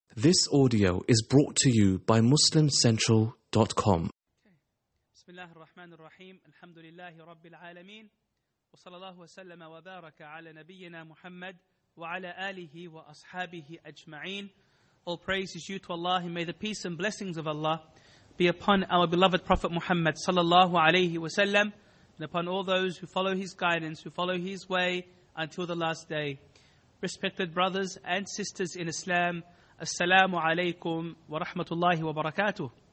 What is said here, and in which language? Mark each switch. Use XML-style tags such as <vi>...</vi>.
<en>This audio is brought to you by MuslimCentral.com.</en> <ar>بسم الله الرحمن الرحيم الحمد لله رب العالمين وصلى الله وسلم وبارك على نبينا محمد وعلى آله وأصحابه أجمعين.</ar> <en>All praise is due to Allah and may the peace and blessings of Allah be upon our beloved Prophet Muhammad</en> <ar>صلى الله عليه وسلم</ar> <en>and upon all those who follow his guidance, who follow his way until the last day. Respected brothers and sisters in Islam, Assalamu alaikum wa rahmatullahi wa barakatuh.</en>